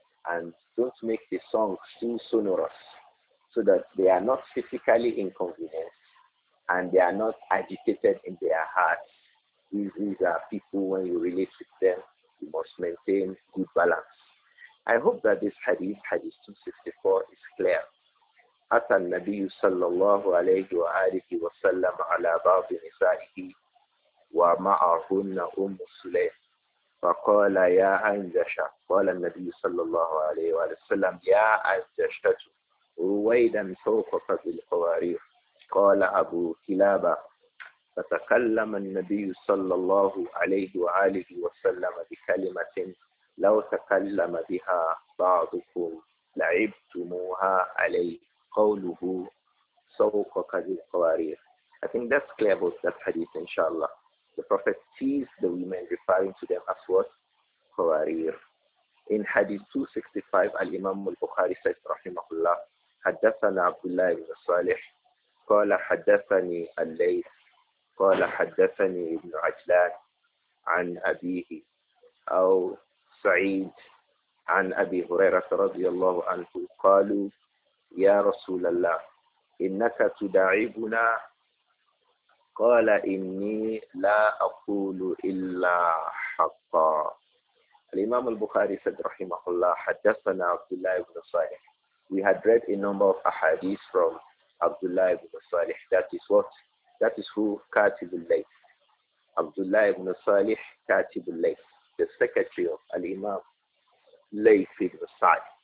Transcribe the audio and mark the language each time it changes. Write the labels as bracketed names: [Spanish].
[English] And don't make the songs too sonorous, so that they are not physically inconvenienced and they are not agitated in their hearts. These are people, when you relate with them, you must maintain good balance. I hope that this hadith 264, is clear. [Arabic] أتى النبي صلى الله عليه وآله وسلم على بعض نسائه ومعهن أم سليم فقال يا أنجشة قال النبي صلى الله عليه وسلم يا أنجشة رويدا فوقك بالقوارير قال أبو كلابة فتكلم النبي صلى الله عليه وآله وسلم بكلمة لو تكلم بها بعضكم لعبتموها عليه قوله سوقك بالقوارير. [English] I think that's clear about that hadith, inshallah. The Prophet teased the women, referring to them as what? Qawarir. In hadith 265, al-Imam al-Bukhari says, rahimahullah, [Arabic] حدثني عبد الله بن صالح قال حدثني الليث قال حدثني ابن عجلان عن أبيه أو سعيد عن أبي هريرة رضي الله عنه قالوا يا رسول الله إنك تداعبنا قال إني لا أقول إلا حقا. الإمام البخاري said رحمه الله حدثنا عبد الله بن صالح. [English] We had read a number of ahadith from Abdullah ibn Salih. That is what? That is who? Katib al-Layth. Abdullah ibn Salih, Katib al-Layth, the secretary of Al-Imam Layth ibn Sa'd.